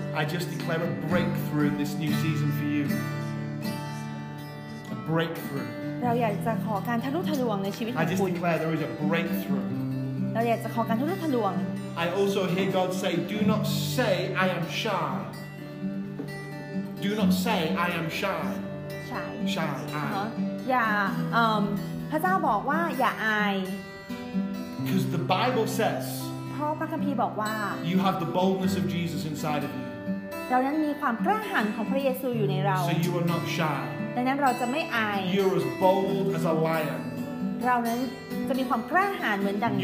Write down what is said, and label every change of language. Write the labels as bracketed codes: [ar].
[en] I just declare a breakthrough in this new season for you a breakthrough [th] เราอยากจะขอการทะลุทะลวงในชีวิตของคุณ [en] I just declare there is a breakthrough [th] เราอยากจะขอการทะลุทะลวง [en] I also hear God say do not say I am shy do not say I am shy shy shy [th] อย่าพระเจ้าบอกว่าอย่าอาย [en] Because the Bible says [th] พระคัมภีร์บอกว่า [en] You have the boldness of Jesus inside of you [th] เรานั้นมีความกล้าหาญของพระเยซูอยู่ในเรา [en] So you are not shy [th] ดังนั้นเราจะไม่อาย [en] You're as bold as a lion [th] เรานั้นจะมีความกล้าหาญเหมือนดังสิงโต